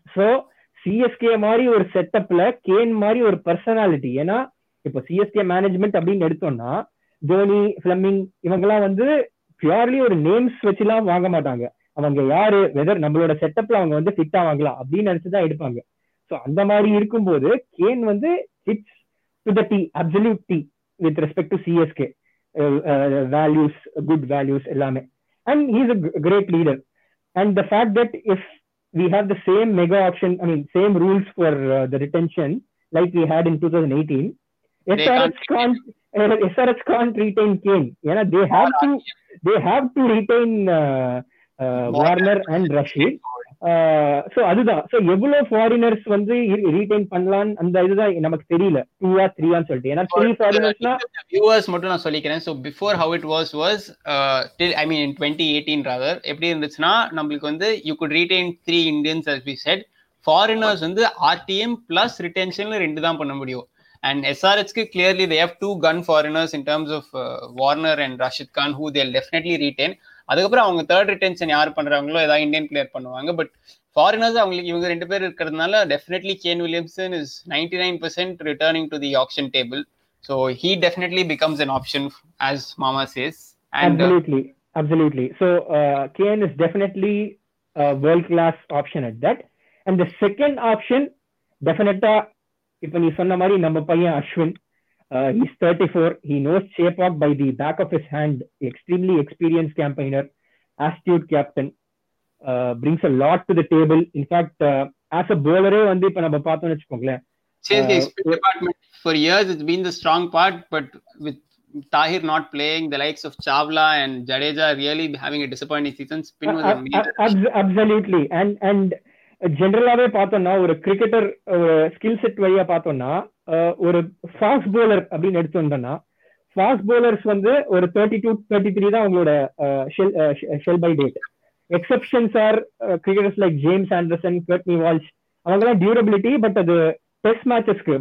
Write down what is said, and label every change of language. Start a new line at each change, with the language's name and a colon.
Tamil: So, CSK மாதிரி ஒரு செட்டப்ல can மாதிரி ஒரு பர்சனாலிட்டி, ஏன்னா இப்போ CSK மேனேஜ்மெண்ட் அப்படின்னு எடுத்தோம்னா தோனி ஃபிளமிங் இவங்கெல்லாம் வந்து பியூர்லி ஒரு நேம்ஸ் வச்சுலாம் வாங்க மாட்டாங்க. அவங்க யாரு வெதர் நம்மளோட செட்டப்ல அவங்க வந்து ஃபிட் ஆவாங்களா அப்படின்னு நினைச்சுதான் எடுப்பாங்க.
English: so
Tamil: அந்த மாதிரி இருக்கும்போது
English: Kane வந்து hits to the T, absolute T with respect to CSK values, good values எல்லாமே. And he's a great leader. And the fact that if we have the same mega option, I mean, same rules for the retention like we had in 2018, SRS can't retain Kane. You know, they have to retain Warner and Rashid. So, that's it. So, how many foreigners can retain Panlan? That's it. We don't know. 2 or 3, I'm sorry. You know, 3 foreigners. Viewers, I'm sorry. So, before how it was till, I mean, in 2018 rather,
Tamil: எப்படி இருந்துச்சுன்னா நம்மளுக்கு
English: you could retain 3 Indians as we said.
Tamil: Foreigners வந்து RTM plus retention ல ரெண்டு தான் பண்ண முடியும்.
English: And SRH க்கு clearly they have 2 gun foreigners in terms of Warner and Rashid Khan who they'll definitely retain.
Tamil: அதுக்கப்புறம் அவங்க தேர்ட் ரிட்டென்ஷன் யார் பண்றாங்களோ ஏதாவது இந்தியன் பிளேயர் பண்ணுவாங்க.
English: but foreigners
Tamil: அவங்களுக்கு இவங்க ரெண்டு பேர் இருக்கிறதுனால
English: Definitely Kane Williamson is 99% returning to the auction table. So he definitely becomes an option as mama chase. Absolutely absolutely. So Kane is definitely world class option at that. And the second option டெஃபினெட்டா
Tamil: இப்போ நீ சொன்ன மாதிரி நம்ம பையன் Ashwin.
English: He's 34. He knows Chepauk by the back of his hand. Extremely experienced campaigner. Astute captain. Brings a lot to the table. In fact, as a bowler,
Tamil: vandhi ipo namba paathu nichukongla.
English: CSK's department for years it's been the strong part, but with Tahir not playing, the likes of Chawla and Jadeja really having a disappointing season, spin was amazing. Absolutely.
Tamil: And ஜென்ரலாவே பார்த்தோம்னா ஒரு cricketer ஒரு skill set வழியா பார்த்தோம்னா ஒரு fast bowler அப்படின்னு எடுத்து வந்தோம்னா fast bowlers வந்து ஒரு 32-33 தான் அவங்களோட shell by date.
English: Exceptions are cricketers like James Anderson, Courtney Walsh, அவங்கெல்லாம் durability, but அது test மேட்சஸ்க்கு.